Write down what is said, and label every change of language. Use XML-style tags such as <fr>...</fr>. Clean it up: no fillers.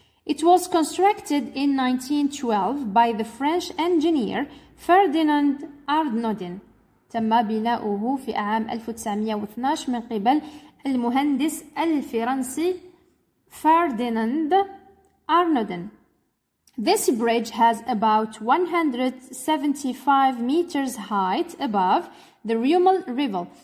<en>It was constructed in 1912 by the French engineer Ferdinand Arnodin.</en> <ar>تم بناؤه في عام 1912 من قبل المهندس الفرنسي فرديناند أرنودن.</ar> <en>This bridge has about 175 meters height above the Rumel River.</en>